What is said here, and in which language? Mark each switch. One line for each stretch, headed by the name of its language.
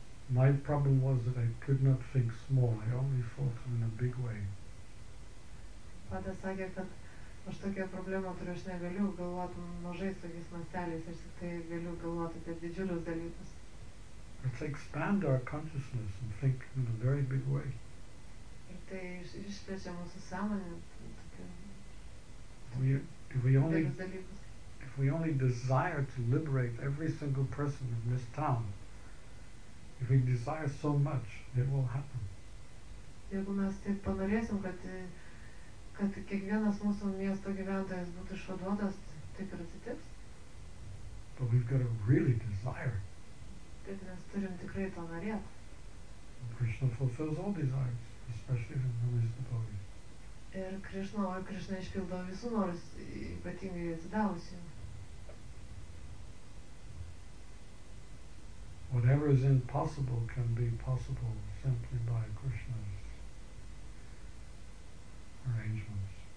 English: My problem was that I could not think small, I only thought in a big way.
Lithuanian: Pada sakė, kad aš tokia problema turiu, aš negaliu galvoti mažais tokiais masteliais, aš tai galiu galvoti apie didžiulius dalykus.
English: Let's expand our consciousness and think in a very big way.
Lithuanian: Ir tai išplečia mūsų sąmonę.
English: If we only desire to liberate every single person in this town, if we desire so much, it will happen.
Lithuanian: Jeigu mes taip panorėsim, kad kiekvienas mūsų miesto gyventojas būtų išvaduotas, taip ir atsitiks.
English: But we've got to really desire.
Lithuanian: Bet mes turim tikrai to norėt.
English: Krishna fulfills all desires, especially from the wisdom of Bodhi.
Lithuanian: Ir Krishna išpildo visų norus, ypatingai atsidavusių.
English: Whatever is impossible can be possible simply by Krishna's arrangements.